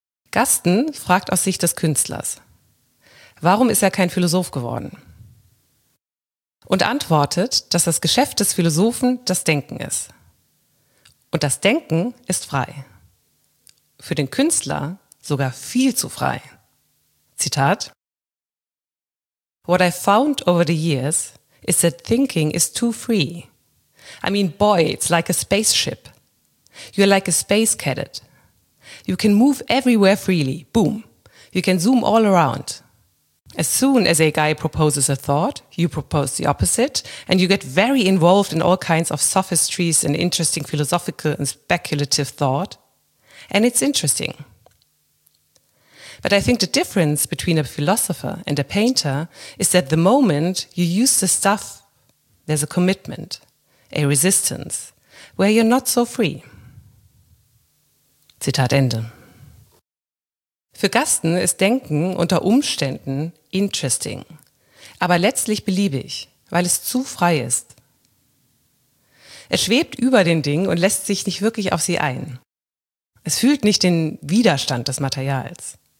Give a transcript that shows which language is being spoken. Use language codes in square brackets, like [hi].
[de] Gaston fragt aus Sicht des Künstlers, warum ist er kein Philosoph geworden? Und antwortet, dass das Geschäft des Philosophen das Denken ist. Und das Denken ist frei. Für den Künstler sogar viel zu frei. [en] Zitat: What I found over the years is that thinking is too free. I mean, boy, it's like a spaceship. You're like a space cadet. You can move everywhere freely. Boom. You can zoom all around. As soon as a guy proposes a thought, you propose the opposite, and you get very involved in all kinds of sophistries and interesting philosophical and speculative thought. And it's interesting. But I think the difference between a philosopher and a painter is that the moment you use the stuff, there's a commitment, a resistance, where you're not so free. [de] Zitat Ende. Für Gasten ist Denken unter Umständen interesting, aber letztlich beliebig, weil es zu frei ist. Es schwebt über den Dingen und lässt sich nicht wirklich auf sie ein. Es fühlt nicht den Widerstand des Materials.